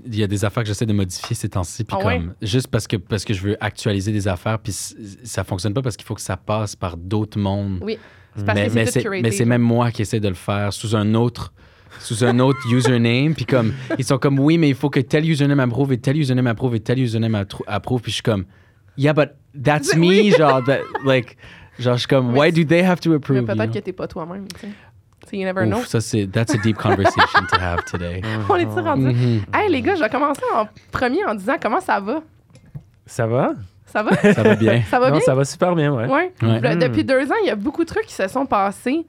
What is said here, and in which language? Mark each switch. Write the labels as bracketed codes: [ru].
[fr] Il y a des affaires que j'essaie de modifier ces temps-ci. Puis, juste parce que je veux actualiser des affaires. Puis, ça fonctionne pas parce qu'il faut que ça passe par d'autres mondes. Oui. Mais c'est même moi qui essaie de le faire sous un autre username. Puis, comme, ils sont comme, oui, mais il faut que tel username approuve et tel username approuve et tel username approuve. Puis, je suis comme, [en] yeah, but that's me, genre, that, like. [fr] Genre, je suis comme, [en] why do they have to approve? [fr] Mais peut-être que t'es pas toi-même, tu sais. [en] So you never know. [fr] Ça, c'est. [en] That's a deep conversation to have today. [fr] On est-tu rendu? Mm-hmm. Hey, les gars, je vais commencer en premier en disant comment ça va? Ça va? Ça va? Ça va bien. Ça va non, bien? Ça va super bien, ouais. Ouais. Depuis 2 ans, il y a beaucoup de trucs qui se sont passés.